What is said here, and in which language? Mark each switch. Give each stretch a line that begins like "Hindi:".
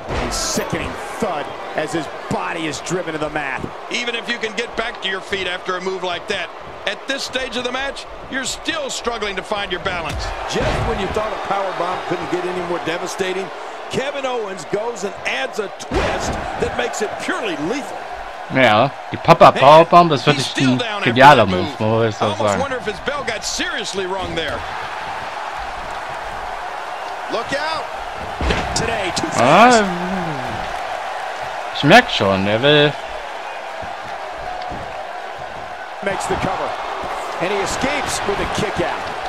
English: Sickening thud as his body is driven to the mat. Even if you can get back to your feet after a move like that, at this stage of the match, you're still struggling to find your balance. Just when you thought a powerbomb couldn't get any more devastating, Kevin Owens goes and adds a twist that makes it purely lethal.
German: Ja, die Pop-Up-Powerbomb, das wird ein genialer Move, muss ich so sagen. Wonder if his bell got seriously wrong there.
English: Look out! Today,
German: ich merke schon, er will.
English: Makes the cover. And he escapes with a kick out.